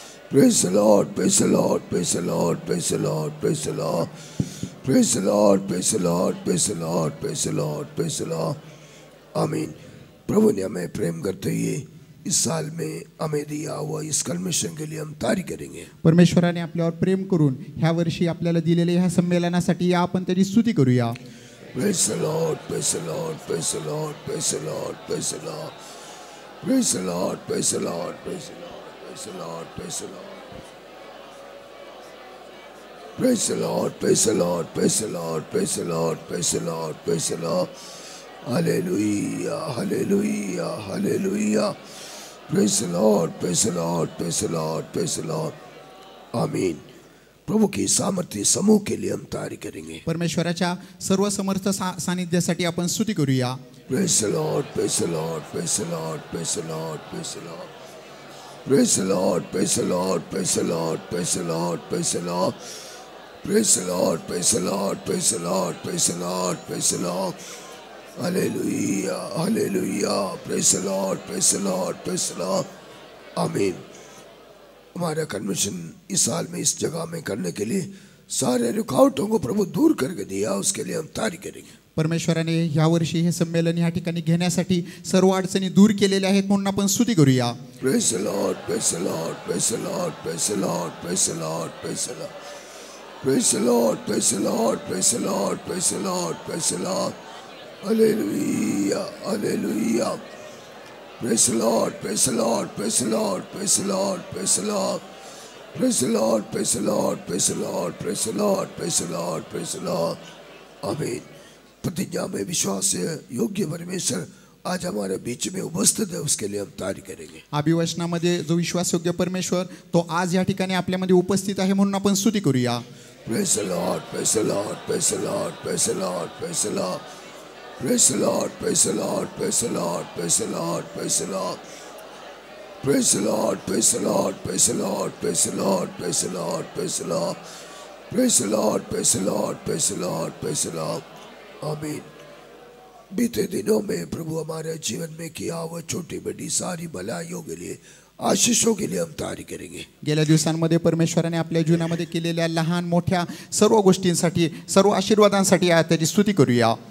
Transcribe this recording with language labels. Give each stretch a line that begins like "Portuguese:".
English: Praise the Lord, praise the Lord, praise the Lord, praise the Lord, praise the Lord. Praise the Lord, praise the Lord, praise the Lord, praise the Lord, praise the Lord. Amen.
Hindi: प्रभु ने हमें प्रेम करते हुए इस साल में हमें दिया हुआ इस कन्वेंशन के लिए हम तारी करेंगे
Marathi: परमेश्वरा ने अपने और प्रेम करून ह्या वर्षी आपल्याला दिलेले ह्या संमेलनासाठी आपण त्याची स्तुती करूया
English: Praise the Lord, praise the Lord, praise the Lord, praise the Lord, praise the Lord. Praise the Lord, praise the Lord, praise the Lord, praise the Lord, praise the Lord. Praise the Lord, praise the Lord, praise the Lord, praise the Lord, praise the Lord, praise the Lord. Hallelujah, hallelujah, hallelujah. Praise the Lord, praise the Lord, praise the Lord, praise the Lord. Amen.
Hindi: प्रभु की सामर्थ्य समूह के लिए हम तारी करेंगे
Marathi: परमेश्वराच्या सर्व समर्थ सानिध्यासाठी आपण स्तुति करूया
English: Praise the Lord, praise the Lord, praise the Lord, praise the Lord, praise the Lord. Praise the Lord, praise the Lord, praise the Lord, praise the Lord, praise the Lord. Praise the Lord, praise the Lord, praise the Lord, praise the Lord, praise the Lord. Hallelujah, hallelujah. Praise the Lord, praise the Lord, praise the Lord. Amen.
Hindi: हमारा convention इस साल में इस जगह में करने के लिए सारे रुकावटों को प्रभु दूर करके दिया उसके लिए हम तारी करेंगे
Marathi: परमेश्वर ने या वर्षी हे संमेलन या ठिकाणी घेण्यासाठी सर्व अडचणी दूर केलेले आहेत म्हणून आपण स्तुति करूया
English: Praise the Lord praise the Lord praise the Lord praise the Lord praise the Lord praise the Lord praise the Lord praise the Lord praise the Lord praise the Lord praise the Lord hallelujah hallelujah praise the Lord praise the Lord praise the Lord praise the Lord praise the Lord Praise the Lord, praise the Lord, praise the Lord, praise the Lord, praise the Lord, praise the Lord. Amen.
Hindi: प्रतिज्ञा में विश्वास योग्य परमेश्वर आज हमारे बीच में उपस्थित है, उसके लिए हम तारीफ करेंगे.
Marathi: अभिवचना मध्ये जो विश्वास योग्य परमेश्वर तो आज या ठिकाणी आपल्या मध्ये उपस्थित आहे म्हणून आपण स्तुती करूया.
English: Praise the Lord, praise the Lord, praise the Lord, praise the Lord, praise the Lord. Praise the Lord, praise the Lord, praise the Lord, praise the Lord, praise the Lord. Praise the Lord, praise the Lord, praise the Lord, praise the Lord, praise the Lord, praise the Lord. Praise the Lord, praise the Lord, praise the Lord, praise the Lord. Amen.
Hindi: बीते दिनों में प्रभु हमारे जीवन में किया हुआ छोटी बड़ी सारी भलाइयों के लिए, आशीषों के लिए हम तारीफ करेंगे.
Marathi: गेल्या दिवसांमध्ये परमेश्वराने आपल्या जीवनामध्ये केलेल्या लहान मोठ्या सर्व गोष्टींसाठी, सर्व आशीर्वादांसाठी आज त्याची स्तुती करूया.